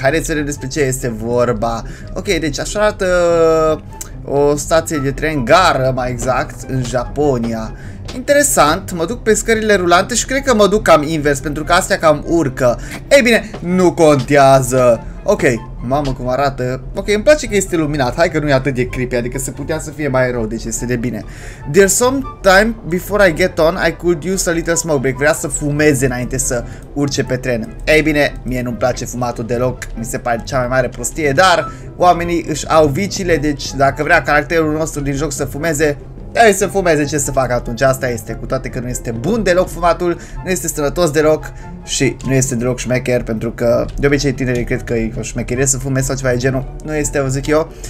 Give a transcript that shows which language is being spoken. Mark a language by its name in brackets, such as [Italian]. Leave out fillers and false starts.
[Romanian] Haideți să vedem despre ce este vorba. Ok, deci așa arată o stație de tren, gară mai exact, în Japonia. Interesant, mă duc pe scările rulante și cred că mă duc cam invers, pentru că astea cam urcă. Ei bine, nu contează. Ok, mamă cum arată. Ok, îmi place că este luminat, hai că nu e atât de creepy, adică se putea să fie mai rău, deci este de bine. [English] There's some time before I get on, I could use a little smoke break. [Romanian] Vrea să fumeze înainte să urce pe tren. Ei bine, mie nu-mi place fumatul deloc, mi se pare cea mai mare prostie, dar oamenii își au viciile, deci dacă vrea caracterul nostru din joc să fumeze, ei să fumeze, ce să fac atunci, asta este, cu toate că nu este bun deloc fumatul, nu este sănătos deloc și nu este deloc șmecher, pentru că de obicei tinerii cred că e o șmecherie să fumeze sau ceva de genul, nu este, o zic eu.